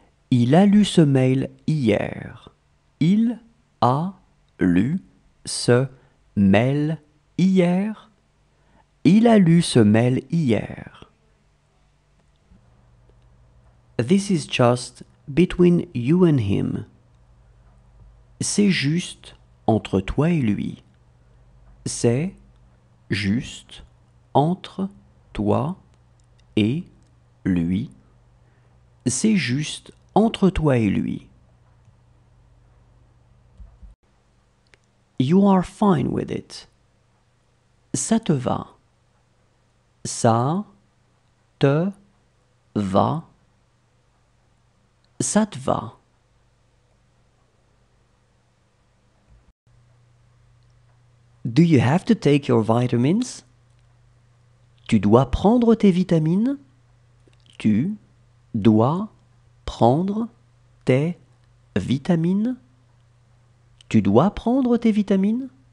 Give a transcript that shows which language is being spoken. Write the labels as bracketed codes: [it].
[fr] Il a lu ce mail hier. Il a lu ce mail hier. Il a lu ce mail hier. [en] This is just between you and him. [fr] C'est juste entre toi et lui. C'est juste entre toi et lui. C'est juste entre toi et lui. [en] You are fine with it. [fr] Ça te va. Ça te va. Ça te va. [en] Do you have to take your vitamins? [fr] Tu dois prendre tes vitamines? Tu dois prendre tes vitamines? Tu dois prendre tes vitamines?